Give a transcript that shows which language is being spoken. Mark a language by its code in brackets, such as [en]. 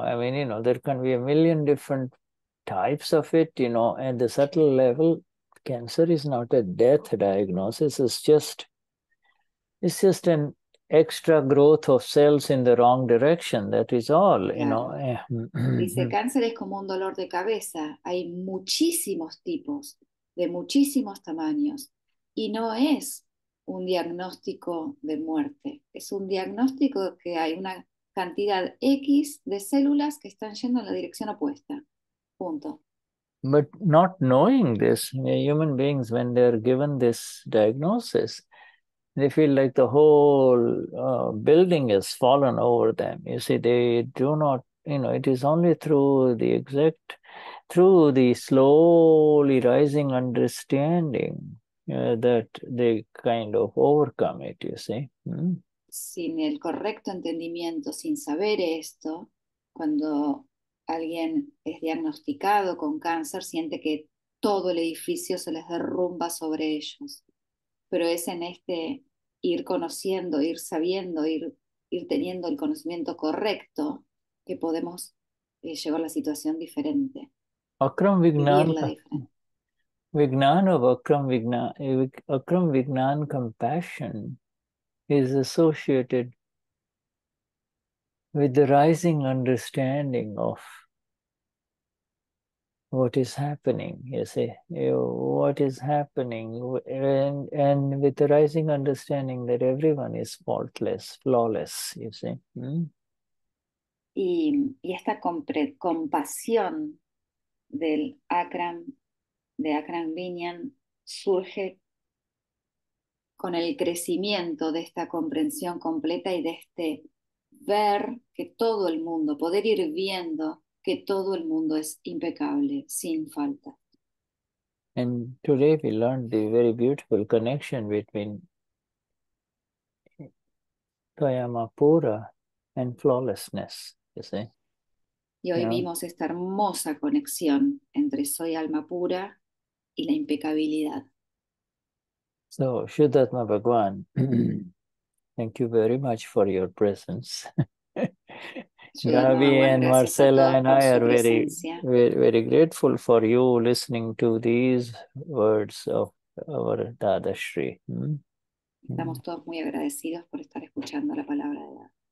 [en] I mean, you know, there can be a million different types of it, you know, at the subtle level. Cancer is not a death diagnosis, it's just an extra growth of cells in the wrong direction, that is all, you [es] claro. [en] know. [es] Dice, cáncer es como un dolor de cabeza, hay muchísimos tipos, de muchísimos tamaños, y no es un diagnóstico de muerte, es un diagnóstico que hay una cantidad X de células que están yendo en la dirección opuesta, punto. [en] But not knowing this, human beings, when they're given this diagnosis, they feel like the whole building has fallen over them. You see, they do not, you know, it is only through the slowly rising understanding that they kind of overcome it, you see. [es] Sin el correcto entendimiento, sin saber esto, cuando alguien es diagnosticado con cáncer, siente que todo el edificio se les derrumba sobre ellos. Pero es en este ir conociendo, ir sabiendo, ir teniendo el conocimiento correcto que podemos llevar la situación diferente. Akram Vignan, vivirla diferente. [en] Vignan of Akram Vignan, Akram Vignan compassion is associated with the rising understanding of what is happening, you see, what is happening, and with the rising understanding that everyone is faultless, flawless, you see. [es] Y esta compasión del Akram, de Akram Vignan, surge con el crecimiento de esta comprensión completa y de este ver que todo el mundo, poder ir viendo que todo el mundo es impecable, sin falta. [en] And today we learned the very beautiful connection between Tayamapura and flawlessness, you see. [es] Y hoy vimos esta hermosa conexión entre soy alma pura y la impecabilidad. [en] So, Vishuddhatma Bhagwan, thank you very much for your presence. Ravi and Marcela and I are very, very, very grateful for you listening to these words of our Dada Shri. [es] Estamos todos muy agradecidos por estar escuchando la palabra de Dada.